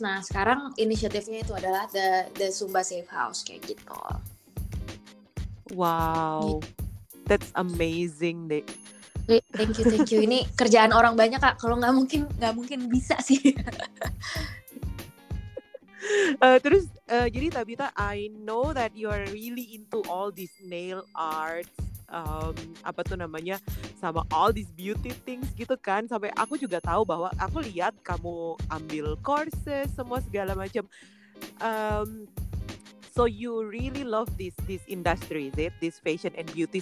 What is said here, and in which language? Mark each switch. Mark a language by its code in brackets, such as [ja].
[id] Nah, sekarang inisiatifnya itu adalah the Sumba Safe House, kayak gitu. [en] Wow. That's amazing, Dek. Thank you. [id] Ini kerjaan orang banyak, Kak. Kalau nggak mungkin bisa sih. Jadi [en] Tabita, I know that you are really into all these nail arts, [id] sama [en] all these beauty things [id] gitu kan. Sampai aku juga tahu bahwa aku lihat kamu ambil courses semua segala macam. [en] So you really love this industry, this fashion and beauty.